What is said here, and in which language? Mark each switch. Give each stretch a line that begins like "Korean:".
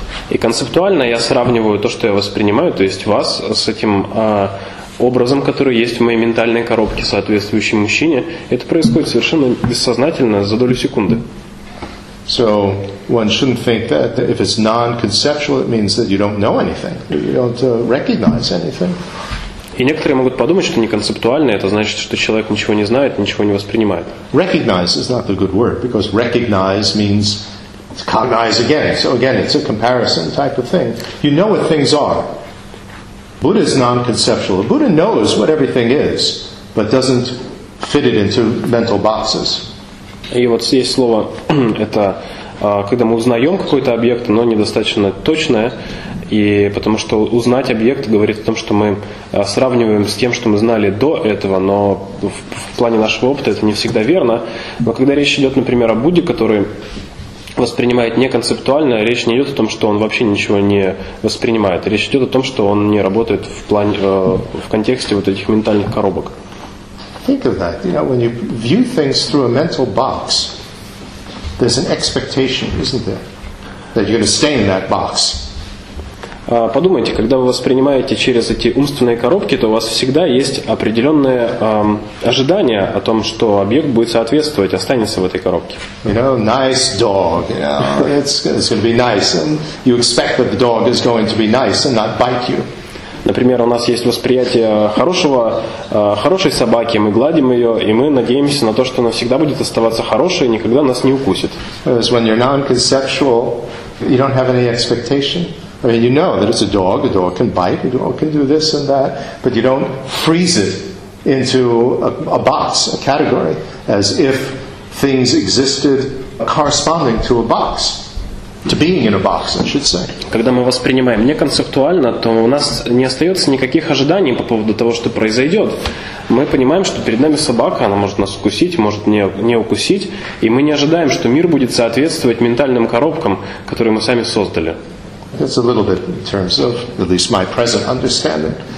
Russian: И концептуально я сравниваю то, что я воспринимаю, то есть вас с этим образом, который есть в моей ментальной коробке, соответствующей мужчине, это происходит совершенно бессознательно за долю секунды.
English: So one shouldn't think that if it's non-conceptual, it means that you don't know anything, you don't recognize anything.
Russian: И некоторые могут подумать, что неконцептуально, это значит, что человек ничего не знает, ничего не воспринимает.
English: Recognize is not a good word, because recognize means to cognize again. So again, it's a comparison type of thing. You know what things are. Buddha is non-conceptual. Buddha knows what everything is, but doesn't fit it into mental boxes.
Russian: И вот есть слово, это когда мы узнаем какой-то объект, но недостаточно точное, и потому что узнать объект говорит о том, что мы сравниваем с тем, что мы знали до этого, но в плане нашего опыта это не всегда верно. Но когда речь идет, например, о Будде, который воспринимает не концептуально, речь не идет о том, что он вообще ничего не воспринимает. Речь идет о том, что он не работает в плане, в контексте вот этих ментальных коробок.
English: Think of that. You know, when you view things through a mental box, there's an expectation, isn't there, that you're going to stay in that box.
Russian: Подумайте, когда вы воспринимаете через эти умственные коробки, то у вас всегда есть определенное ожидание о том, что объект будет соответствовать, останется в этой коробке.
English: You know, nice dog. You know, it's going to be nice, and you expect that the dog is going to be nice and not bite you.
Russian: Например, у нас есть восприятие хорошего, хорошей собаки, мы гладим ее, и мы надеемся на то, что она всегда будет оставаться хорошей и никогда нас не укусит.
English: Because when you're non-conceptual, you don't have any expectation. I mean, you know that it's a dog can bite, a dog can do this and that, but you don't freeze it into a box, a category, as if things existed corresponding to a box. To being in a box, I should say.
Russian: Когда мы воспринимаем неконцептуально, то у нас не остается никаких ожиданий по поводу того, что произойдет. Мы понимаем, что перед нами собака, она может нас укусить, может не укусить, и мы не ожидаем, что мир будет соответствовать ментальным коробкам, которые мы сами создали.
English: That's a little bit in terms of at least my present understanding.